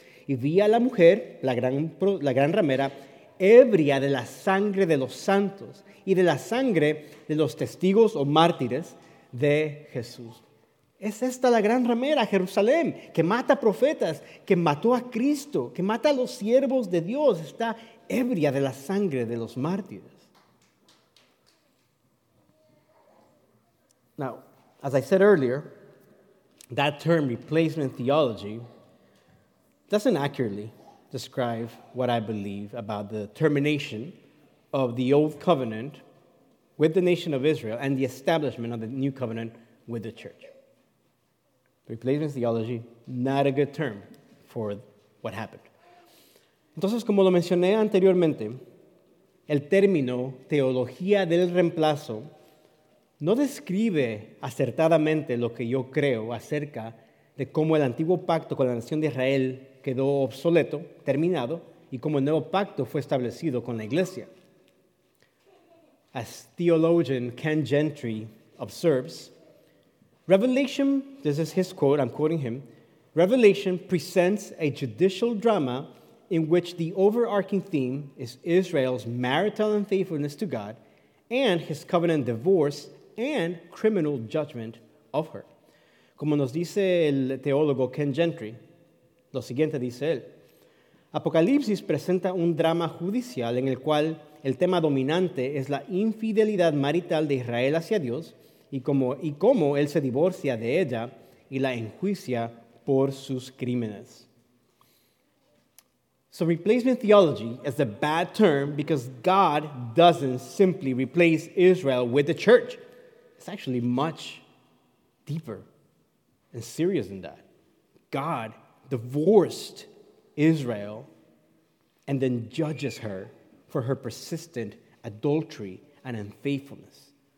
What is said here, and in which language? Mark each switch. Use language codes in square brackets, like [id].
[es] Y vi a la mujer, la gran ramera, ebria de la sangre de los santos y de la sangre de los testigos o mártires de Jesús. Es esta la gran ramera, Jerusalén, que mata profetas, que mató a Cristo, que mata a los siervos de Dios. Está ebria de la sangre de los mártires. [en] Now, as I said earlier, that term, replacement theology, doesn't accurately describe what I believe about the termination of the old covenant with the nation of Israel and the establishment of the new covenant with the church. Replacement theology, not a good term for what happened. [es] Entonces, como lo mencioné anteriormente, el término teología del reemplazo no describe acertadamente lo que yo creo acerca de cómo el antiguo pacto con la nación de Israel quedó obsoleto, terminado, y como el nuevo pacto fue establecido con la iglesia. [en] As theologian Ken Gentry observes, Revelation, this is his quote, I'm quoting him, Revelation presents a judicial drama in which the overarching theme is Israel's marital unfaithfulness to God and his covenant divorce and criminal judgment of her. [es] Como nos dice el teólogo Ken Gentry, lo siguiente dice él. Apocalipsis presenta un drama judicial en el cual el tema dominante es la infidelidad marital de Israel hacia Dios y cómo él se divorcia de ella y la enjuicia por sus crímenes. [en] So replacement theology is a bad term because God doesn't simply replace Israel with the church. It's actually much deeper and serious than that. God divorced Israel and then judges her for her persistent adultery and unfaithfulness.